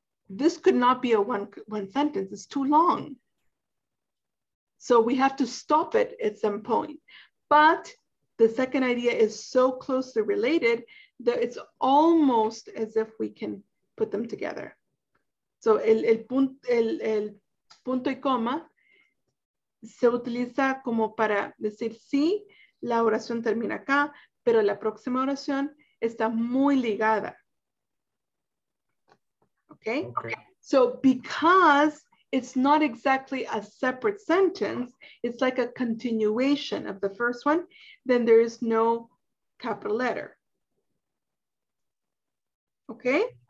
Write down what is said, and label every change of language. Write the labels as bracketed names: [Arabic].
[English] This could not be a one sentence, it's too long. So we have to stop it at some point. But the second idea is so closely related that it's almost as if we can put them together. [Spanish] So el punto y coma se utiliza como para decir sí, la oración termina acá, pero la próxima oración está muy ligada. [English] Okay? Okay. So because it's not exactly a separate sentence, it's like a continuation of the first one, then there is no capital letter. Okay?